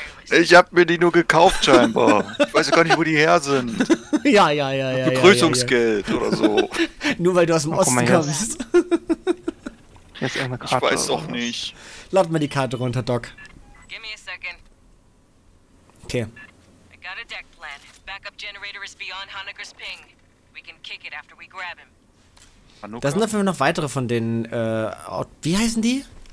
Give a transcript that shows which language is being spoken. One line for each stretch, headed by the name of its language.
German: Ich hab mir die nur gekauft scheinbar. Ich weiß gar nicht, wo die her sind. Ja. Begrüßungsgeld oder so. Nur weil du aus dem Osten kommst. Jetzt irgendeine Karte. Ich weiß doch nicht. Lad mir die Karte runter, Doc.
English: Give me a second. Okay. I got a deck plan. Backup generator is beyond Honecker's ping. We can kick it after we grab him.
German: Da sind dafür noch weitere von den wie heißen die?